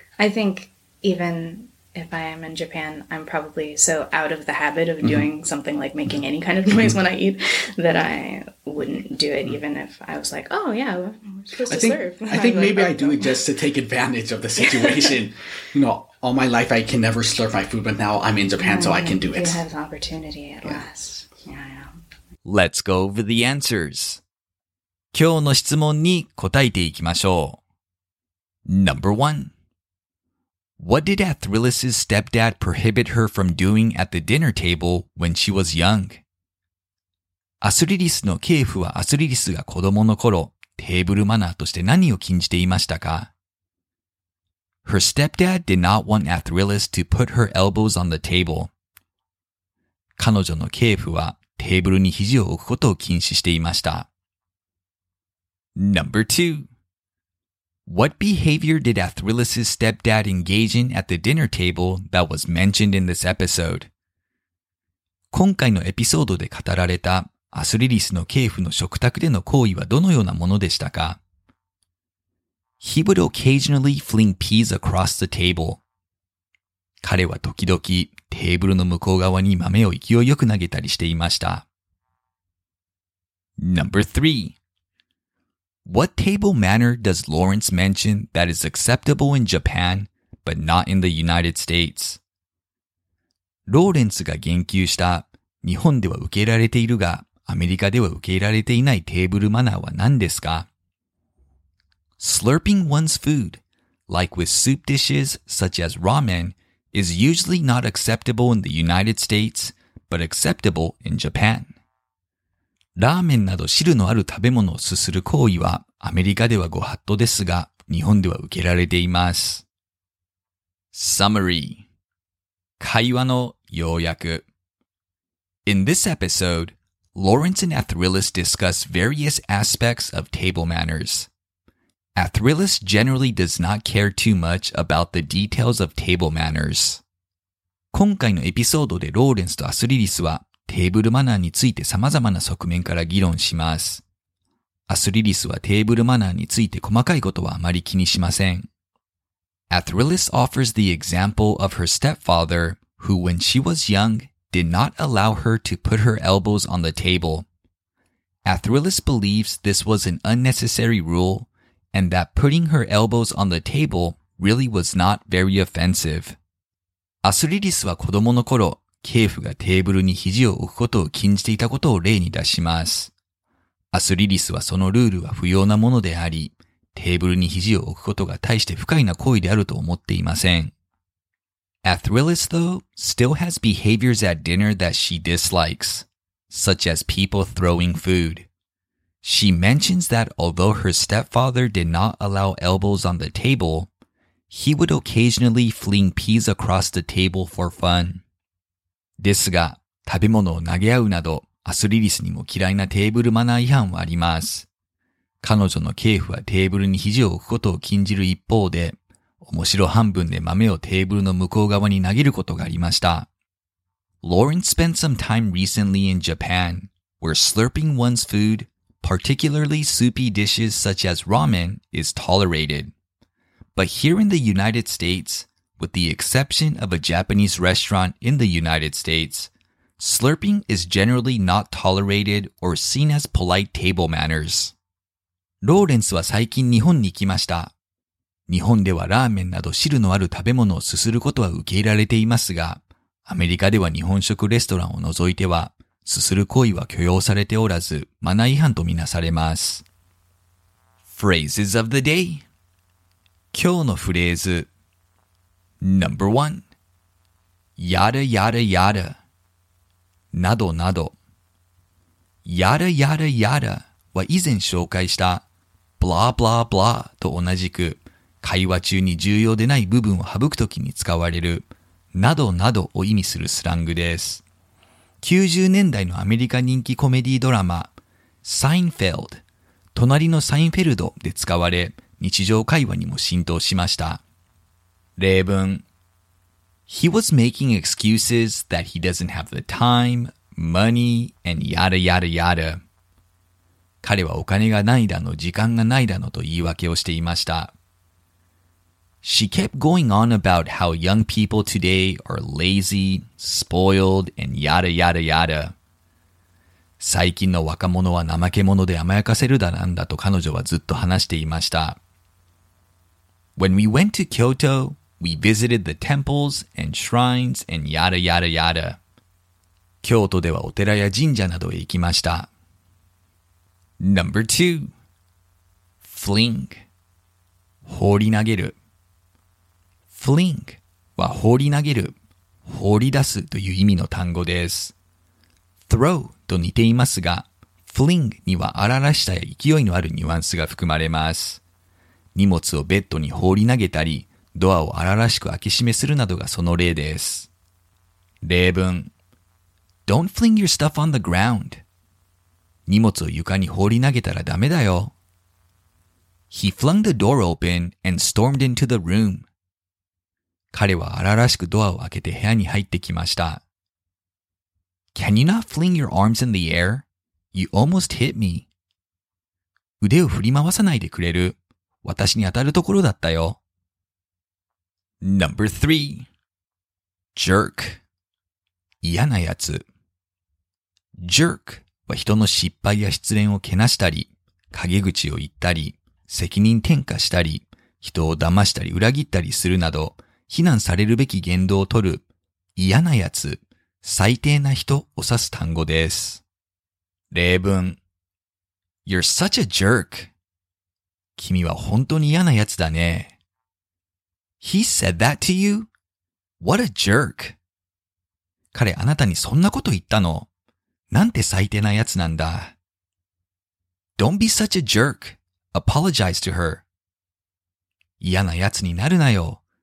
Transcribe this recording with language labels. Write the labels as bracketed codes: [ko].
[en] I think even if I am in Japan, I'm probably so out of the habit of doing something like making any kind of noise when I eat that I wouldn't do it even if I was like, oh, yeah, we're supposed to serve. I think maybe I do it just to take advantage of the situation. You know, all my life I can never slurp my food, but now I'm in Japan, so I can do it. You have the opportunity at last. Let's go over the answers. [ja] 今日の質問に答えていきましょう。 [en] Number one. What did Athrillis's stepdad prohibit her from doing at the dinner table when she was young? [ja] アスリリスの系譜はアスリリスが子供の頃、テーブルマナーとして何を禁じていましたか? [en] Her stepdad did not want Athrillis to put her elbows on the table. [ja] 彼女の系譜はテーブルに肘を置くことを禁止していました。 [en] Number two. What behavior did Athrillis's stepdad engage in at the dinner table that was mentioned in this episode? [ja] 今回のエピソードで語られたアスリリスの系譜の食卓での行為はどのようなものでしたか? [en] He would occasionally fling peas across the table. [ja] 彼は時々テーブルの向こう側に豆を勢いよく投げたりしていました。 [en] Number three. What table manner does Lawrence mention that is acceptable in Japan, but not in the United States? [ja] ローレンスが言及した日本では受け入れられているが、アメリカでは受け入れられていないテーブルマナーは何ですか? [en] Slurping one's food, like with soup dishes such as ramen, is usually not acceptable in the United States, but acceptable in Japan. [ja] ラーメンなど汁のある食べ物をすする行為はアメリカではご法度ですが、日本では受けられています。 [en] Summary [ja] 会話の要約 [en] In this episode, Lawrence and Athrillis discuss various aspects of table manners. Athrillis generally does not care too much about the details of table manners. [ja] 今回のエピソードでローレンスとアスリリスはテーブルマナーについて様々な側面から議論します。アスリリスはテーブルマナーについて細かいことはあまり気にしません。 [en] Athrillis offers the example of her stepfather, who when she was young, did not allow her to put her elbows on the table. Athrillis believes this was an unnecessary rule, and that putting her elbows on the table really was not very offensive. [ja] アスリリスは子供の頃、継父がテーブルに肘を置くことを禁じていたことを例に出します。アスリリスはそのルールは不要なものであり、テーブルに肘を置くことが大して不快な行為であると思っていません。 [en] Athrillis, though, still has behaviors at dinner that she dislikes, such as people throwing food. She mentions that although her stepfather did not allow elbows on the table, he would occasionally fling peas across the table for fun. [ja] ですが、食べ物を投げ合うなど、アスリリスにも嫌いなテーブルマナー違反はあります。彼女の継父はテーブルに肘を置くことを禁じる一方で、面白半分で豆をテーブルの向こう側に投げることがありました。 [en] Lawrence spent some time recently in Japan, where slurping one's food, particularly soupy dishes such as ramen, is tolerated. But here in the United States, with the exception of a Japanese restaurant in the United States, slurping is generally not tolerated or seen as polite table manners. [ja] ローレンスは最近日本に来ました。日本ではラーメンなど汁のある食べ物をすすることは受け入れられていますが、アメリカでは日本食レストランを除いては、すする行為は許容されておらず、マナー違反とみなされます。 [en] Phrases of the day [ja] 今日のフレーズ [en] Number 1 [ja] Yada yada yada などなど Yada yada yada は以前紹介した blah blah blah と同じく会話中に重要でない部分を省くときに使われるなどなどを意味するスラングです。 90年代のアメリカ人気コメディドラマ Seinfeld 隣のサインフェルドで使われ日常会話にも浸透しました。 [en] 例文 He was making excuses that he doesn't have the time, money, and yada yada yada. [ja] 彼はお金がないだの、時間がないだのと言い訳をしていました。 [en] She kept going on about how young people today are lazy, spoiled, and yada yada yada. [ja] 最近の若者は怠け者で甘やかせるだなんだと彼女はずっと話していました。 [en] When we went to Kyoto, we visited the temples and shrines and yada yada yada. [ja] 京都ではお寺や神社などへ行きました。 [en] Number two, fling, [ja] 放り投げる。 fling は放り投げる、放り出すという意味の単語です。 throw と似ていますが、fling には荒々しさや勢いのあるニュアンスが含まれます。荷物をベッドに放り投げたり、ドアを荒々しく開け閉めするなどがその例です。 [en] 例文、Don't fling your stuff on the ground. [ja] 荷物を床に放り投げたらダメだよ。 [en] He flung the door open and stormed into the room. [ja] 彼は荒々しくドアを開けて部屋に入ってきました。 [en] Can you not fling your arms in the air? You almost hit me. [ja] 腕を振り回さないでくれる。私に当たるところだったよ。 [en] Number three. Jerk. [ja] 嫌なやつ。 [en] Jerk. [ja] 人の失敗や失恋をけなしたり、陰口を言ったり、責任転嫁したり、人を騙したり裏切ったりするなど、非難されるべき言動を取る、嫌なやつ、最低な人を指す単語です。 [en] 例文 You're such a jerk. [ja] 君は本当に嫌なやつだね。 [en] He said that to you? What a jerk. [ja] 彼あなたにそんなこと言ったの。なんて最低なやつなんだ。 [en] Don't be such a jerk. Apologize to her. [ja] 嫌なやつになるなよ。